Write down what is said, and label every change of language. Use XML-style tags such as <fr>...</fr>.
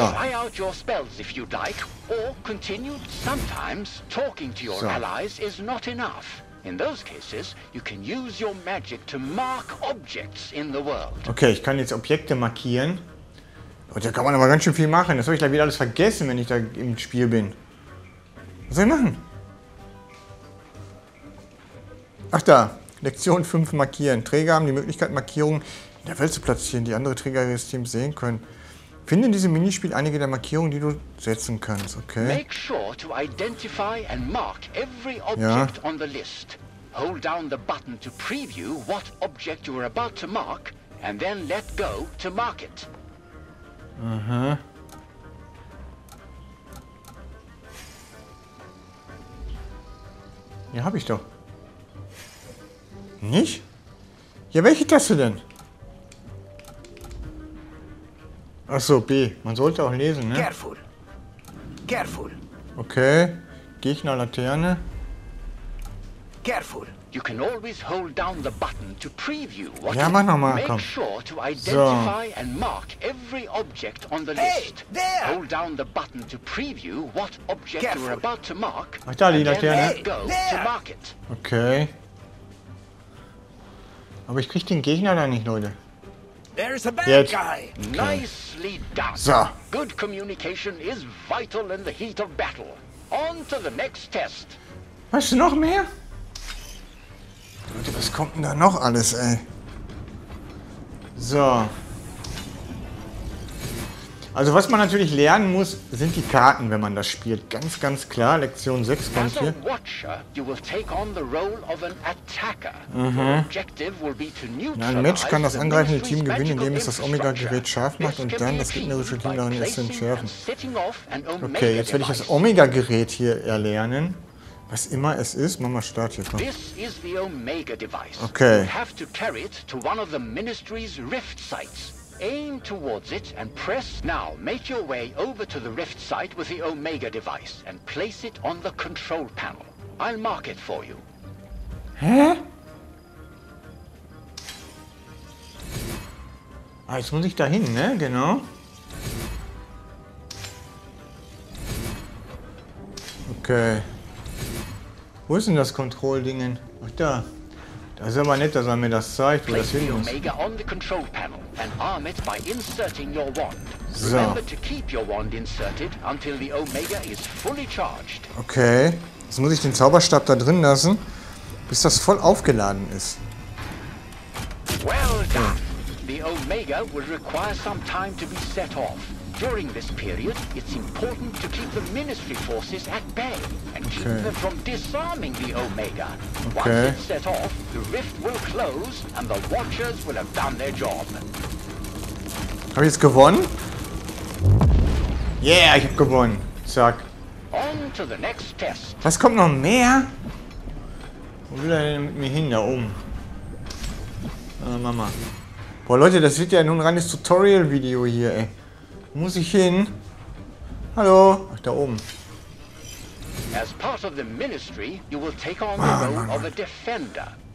<en>Try out your spells if you'd like, or continue. Sometimes talking to your allies is not enough. In those cases, you can use your magic to mark objects in the world.</en> <de>Okay, ich kann jetzt Objekte markieren. Und da kann man aber ganz schön viel machen. Das habe ich gleich wieder alles vergessen, wenn ich da im Spiel bin. Was soll ich machen? Ach da, Lektion 5 markieren. Träger haben die Möglichkeit, Markierungen in der Welt zu platzieren, die andere Träger ihres Teams sehen können. Finde in diesem Minispiel einige der Markierungen, die du setzen kannst, okay?</de> <en>Make sure to identify and mark every object on the list. Hold down the button to preview what object you are about to mark and then let go to mark it. Aha.</en> <de>Ja, hab ich doch. Nicht? Ja, welche Taste denn? Ach so, B. Man sollte auch lesen, ne?</de> <en>Careful. Careful.</en> <de>Okay. Gegner Laterne.</de> <en>Careful. You can always hold down the button to preview what.</en> <de>Ja, mach nochmal, komm.</de> <en>Make sure to identify and mark every object on the list. Hey, there. Hold down the button to preview what object you are about to mark.</en> <de>Ach, da die Laterne.</de> <en>Hey, there. To mark it. Okay.</en> <de>Aber ich krieg den Gegner da nicht, Leute.</de> <en>There is a bad</en> <de>jetzt.</de> <en>Guy. Okay. Nicely done. So. Good communication is vital in the heat of battle. On to the next test.</en> <de>Weißt du noch mehr? Leute, was kommt denn da noch alles, ey? So. Also was man natürlich lernen muss, sind die Karten, wenn man das spielt. Ganz, ganz klar. Lektion 6 kommt hier.</de> <en>As a watcher, you will take on the role of an attacker. Mhm.</en> <de>Ein Mensch kann das angreifende Team gewinnen, indem es das Omega-Gerät scharf macht und dann das gegnerische Team darin ist zu entschärfen. Okay, jetzt werde ich das Omega-Gerät hier erlernen. Was immer es ist, machen wir Start hier.</de> <en>This is the Omega device. Okay. You have to carry it to one of the Ministry's Rift sites. Aim towards it and press. Now make your way over to the Rift site with the Omega device and place it on the control panel. I'll mark it for you. Hä?</en> <de>Ah, jetzt muss ich da hin, ne? Genau. Okay. Wo ist denn das Kontrollding? Ach, da. Das ist aber nett, dass er mir das zeigt, wo das hin muss.</de> <en>Omega on the control panel and arm it by inserting your wand. So. Remember to keep your wand inserted until the Omega is fully charged. Okay.</en> <de>Jetzt muss ich den Zauberstab da drin lassen, bis das voll aufgeladen ist.</de> <en>Well done. The Omega will require some time to be set off. During this period, it's important to keep the Ministry forces at bay and keep them from disarming the Omega. Okay. Once it's set off, the rift will close and the Watchers will have done their job.</en> <de>Hab ich jetzt gewonnen? Yeah, ich hab gewonnen. Zack.</de> <en>On to the next test.</en> <de>Was kommt noch mehr? Wo will er denn mit mir hin, da oben? Ah, Mama. Boah, Leute, das wird ja nun ein reines Tutorial-Video hier, ey. Muss ich hin? Hallo? Ach, da oben.</de> <en>As part of the Ministry, you will take on the role of a defender.</en>